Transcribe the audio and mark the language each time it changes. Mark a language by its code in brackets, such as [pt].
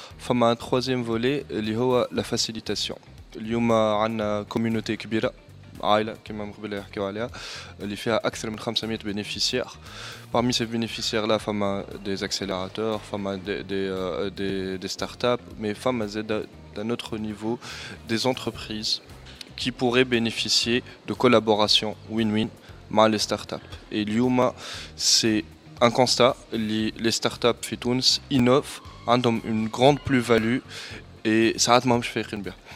[fr] Enfin, un troisième volet, la facilitation. Il y a une communauté Kubira. [ar] عائلة كما مقبل يحكيوا عليها اللي فيها أكثر من 500 بنيفيسيار. [fr] parmi ces bénéficiaires là [ar] فما [fr] des accélérateurs فما des startups mais فما زاد d'un autre niveau des entreprises qui pourraient bénéficier de collaboration win-win [ar] مع [fr] les startups. et [ar] اليوم [fr] c'est un constat les startups [ar] في تونس [fr] innovent [ar] عندهم [fr] une grande plus-value et ça [ar] عاد ماهمش فايقين بها.